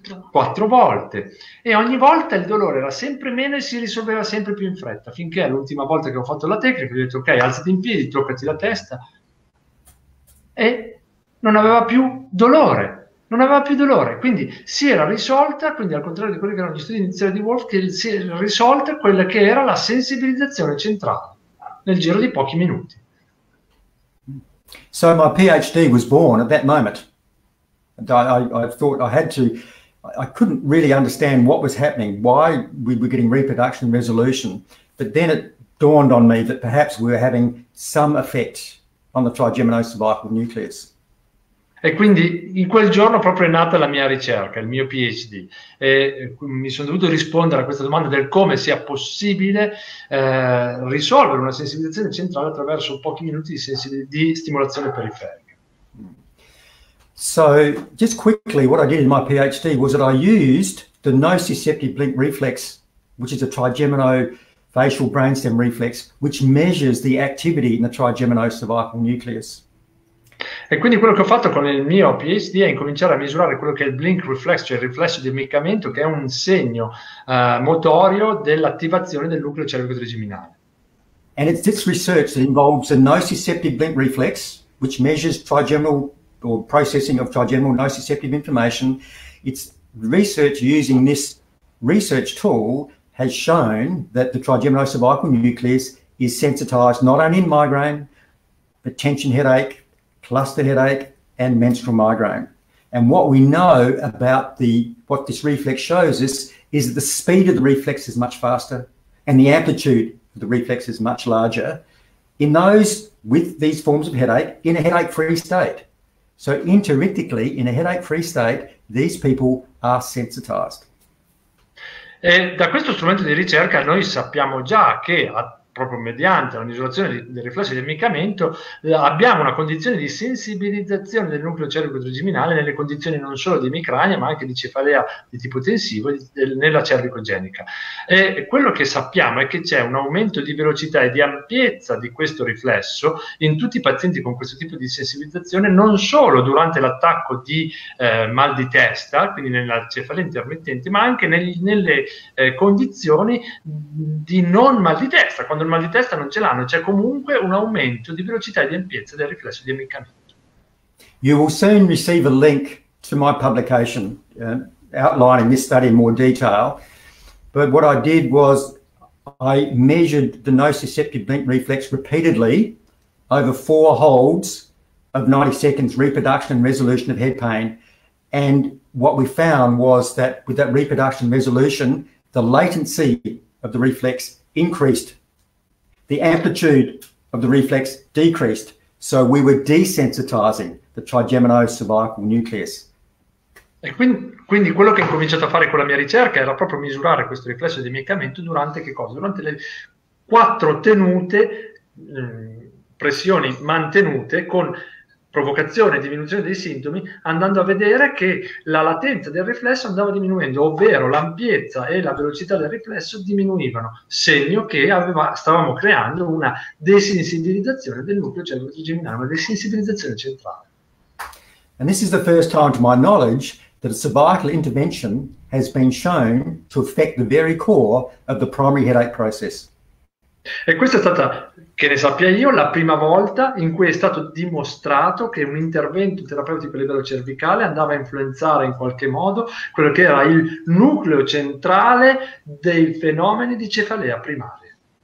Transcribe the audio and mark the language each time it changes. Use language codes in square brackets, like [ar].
[it] quattro volte, e ogni volta il dolore era sempre meno e si risolveva sempre più in fretta, finché l'ultima volta che ho fatto la tecnica ho detto: ok, alzati in piedi, toccati la testa, e non aveva più dolore, non aveva più dolore, quindi si era risolta, quindi al contrario di quelli che erano gli studi iniziali di Wolf, che si era risolta quella che era la sensibilizzazione centrale nel giro di pochi minuti. [en] So my PhD was born at that moment. I thought I had to, I couldn't really understand what was happening, why we were getting reproduction resolution, but then it dawned on me that perhaps we were having some effect on the trigeminal survival nucleus. [it] E quindi in quel giorno proprio è nata la mia ricerca, il mio PhD, e mi sono dovuto rispondere a questa domanda del come sia possibile risolvere una sensibilizzazione centrale attraverso pochi minuti di stimolazione periferica. [en] So, just quickly, what I did in my PhD was that I used the nociceptive blink reflex, which is a trigeminofacial brainstem reflex, which measures the activity in the trigeminocervical nucleus. [it] E quindi quello che ho fatto con il mio PhD è incominciare a misurare quello che è il blink reflex, cioè il riflesso di ammiccamento, che è un segno motorio dell'attivazione del nucleo cervico trigeminale. [en] And it's this research that involves a nociceptive blink reflex, which measures trigeminal or processing of trigeminal nociceptive information. It's research using this research tool has shown that the trigeminal cervical nucleus is sensitized not only in migraine, but tension headache, cluster headache and menstrual migraine. And what we know about what this reflex shows us is that the speed of the reflex is much faster and the amplitude of the reflex is much larger in those with these forms of headache in a headache-free state. So interictically, in a headache-free state, these people are sensitized. [it] E da questo strumento di ricerca noi sappiamo già che proprio mediante la misurazione del riflesso di ammiccamento abbiamo una condizione di sensibilizzazione del nucleo cervico trigeminale nelle condizioni non solo di emicrania ma anche di cefalea di tipo tensivo nella cervicogenica. E quello che sappiamo è che c'è un aumento di velocità e di ampiezza di questo riflesso in tutti i pazienti con questo tipo di sensibilizzazione, non solo durante l'attacco di mal di testa, quindi nella cefalea intermittente, ma anche nelle condizioni di non mal di testa. Quando il mal di testa non ce l'hanno, c'è comunque un aumento di velocità e di ampiezza del riflesso di ammiccamento. [en] You will soon receive a link to my publication outlining this study in more detail. But what I did was I measured the nociceptive blink reflex repeatedly over four holds of 90 seconds reproduction and resolution of head pain. And what we found was that with that reproduction resolution, the latency of the reflex increased. The amplitude of the reflex decreased, so we were desensitizing the trigeminal cervical nucleus. [it] E quindi quello che ho cominciato a fare con la mia ricerca era proprio misurare questo riflesso di ammiccamento durante che cosa? Durante le quattro tenute pressioni mantenute con provocazione e diminuzione dei sintomi, andando a vedere che la latenza del riflesso andava diminuendo, ovvero l'ampiezza e la velocità del riflesso diminuivano, segno che stavamo creando una desensibilizzazione del nucleo cervico trigeminale, una desensibilizzazione centrale. [en] And this is the first time to my knowledge that a cervical intervention has been shown to affect the very core of the primary headache process. [it] E questa è stata, che ne sappia io, la prima volta in cui è stato dimostrato che un intervento terapeutico a livello cervicale andava a influenzare in qualche modo quello che era il nucleo centrale dei fenomeni di cefalea primaria.